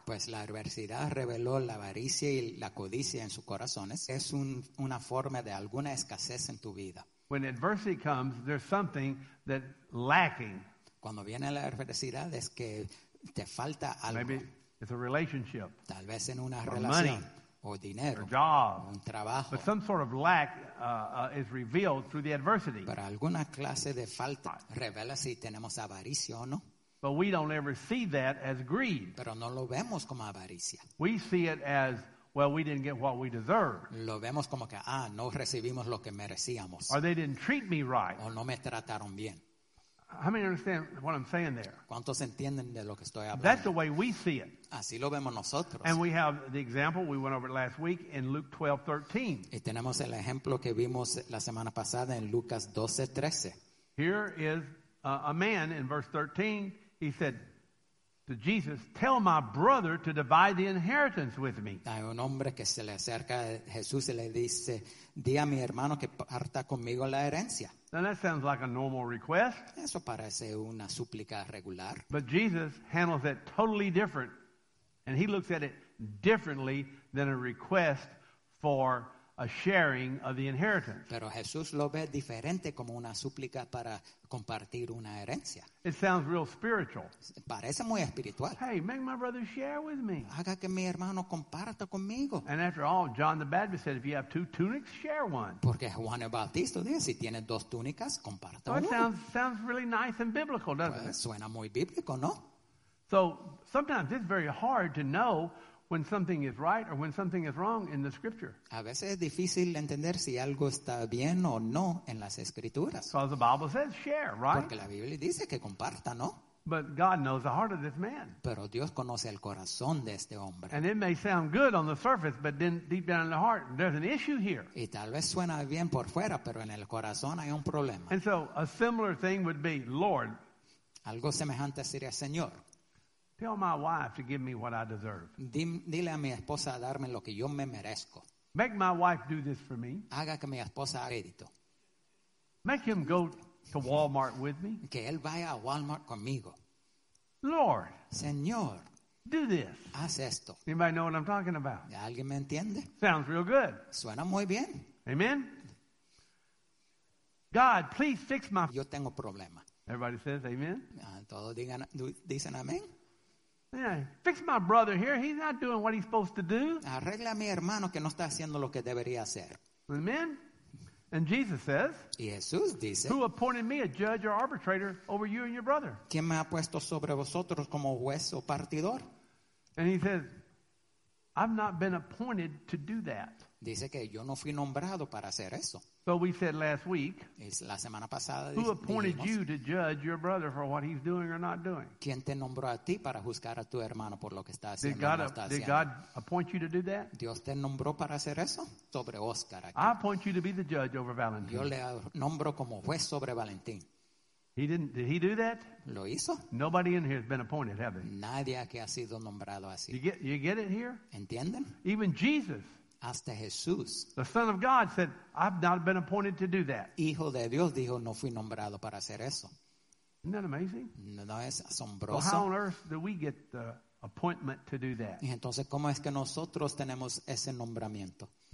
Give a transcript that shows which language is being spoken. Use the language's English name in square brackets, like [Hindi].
[Spanish] Pues la adversidad reveló la avaricia y la codicia en sus corazones. Es una forma de alguna escasez en tu vida. [English] When adversity comes, there's something that lacking. [Spanish] Cuando viene la adversidad es que te falta algo. [English] Maybe it's a relationship. [Spanish] Tal vez en una relación. [English] Money. [Spanish] O dinero, [English] or job, [Spanish] un trabajo. [English] But some sort of lack is revealed through the adversity. [Spanish] Para alguna clase de falta revela si tenemos avaricia o no. [English] But we don't ever see that as greed. [Spanish] Pero no lo vemos como avaricia. [English] We see it as, well, we didn't get what we deserve. [Spanish] Lo vemos como que, ah, no recibimos lo que merecíamos. [English] Or they didn't treat me right. [Spanish] O no me trataron bien. [English] How many understand what I'm saying there? [Spanish] ¿Cuántos entienden de lo que estoy hablando? [English] That's the way we see it. [Spanish] Así lo vemos nosotros. [English] And we have the example we went over last week in Luke 12:13. [Spanish] Y tenemos el ejemplo que vimos la semana pasada en Lucas 12:13. [English] Here is a man in verse 13. He said to Jesus, "Tell my brother to divide the inheritance with me." [Spanish] Hay un hombre que se le acerca a Jesús y le dice, "Di a mi hermano que parta conmigo la herencia." [English] Now that sounds like a normal request. [Spanish] Eso parece una súplica regular. [English] But Jesus handles it totally different. And he looks at it differently than a request for a sharing of the inheritance. [Spanish] Pero Jesús lo ve diferente como una súplica para compartir una herencia. [English] It sounds real spiritual. [Spanish] Parece muy espiritual. [English] Hey, make my brother share with me. [Spanish] Haga que mi hermano comparta conmigo. [English] And after all, John the Baptist said, if you have two tunics, share one. [Spanish] Porque Juan el Bautista dice, si tienes dos túnicas, comparta una. [English] So it sounds really nice and biblical, doesn't [Spanish] pues, [English] it? [Spanish] Suena muy bíblico, ¿no? [English] So sometimes it's very hard to know when something is right or when something is wrong in the scripture. [Spanish] A veces es difícil entender si algo está bien o no en las escrituras. [English] Because the Bible says share, right? [Spanish] Porque la Biblia dice que comparta, ¿no? [English] But God knows the heart of this man. [Spanish] Pero Dios conoce el corazón de este hombre. [English] And it may sound good on the surface, but then deep down in the heart, there's an issue here. [Spanish] Y tal vez suena bien por fuera, pero en el corazón hay un problema. [English] And so a similar thing would be, Lord. [Spanish] Algo semejante sería, Señor. [English] Tell my wife to give me what I deserve. [Spanish] Dile a mi esposa a darme lo que yo me merezco. [English] Make my wife do this for me. [Spanish] Haga que mi esposa haga esto. [English] Make him go to Walmart with me. [Spanish] Que él vaya a Walmart conmigo. [English] Lord. [Spanish] Señor. [English] Do this. [Spanish] Haz esto. [English] Anybody know what I'm talking about? [Spanish] ¿Alguien me entiende? [English] Sounds real good. [Spanish] Suena muy bien. [English] Amen. God, please fix my... [Spanish] Yo tengo problema. [English] Everybody says amen. [Spanish] Todos dicen amén. [English] Yeah, fix my brother here. He's not doing what he's supposed to do. [Spanish] Arregla a mi hermano que no está haciendo lo que debería hacer. [English] Amen. And Jesus says, [Spanish] y Jesús dice, [English] who appointed me a judge or arbitrator over you and your brother? [Spanish] ¿Quién me ha puesto sobre vosotros como juez o partidor? [English] And he says, I've not been appointed to do that. [Spanish] Dice que yo no fui nombrado para hacer eso. [English] So we said last week, [Spanish] la semana pasada, [English] who appointed you to judge your brother for what he's doing or not doing? [Spanish] ¿Quién te nombró a ti para juzgar a tu hermano por lo que está haciendo o no está haciendo? [English] Did God appoint you to do that? [Spanish] ¿Dios te nombró para hacer eso? Sobre Oscar aquí. [English] I appoint you to be the judge over Valentín. [Spanish] Yo le nombro como juez sobre Valentín. [English] Did he do that? [Spanish] ¿Lo hizo? [English] Nobody in here has been appointed, have they? [Spanish] Nadie aquí ha sido nombrado así. [English] You get it here? [Spanish] ¿Entienden? [English] Even Jesus. [Spanish] Hasta Jesús. [English] The Son of God said, I've not been appointed to do that. [Spanish] Hijo de Dios dijo, no fui nombrado para hacer eso. [English] Isn't that amazing? [Spanish] ¿No es asombroso? [English] Well, how on earth do we get the appointment to do that? [Spanish] Y entonces, ¿cómo es que nosotros tenemos ese nombramiento?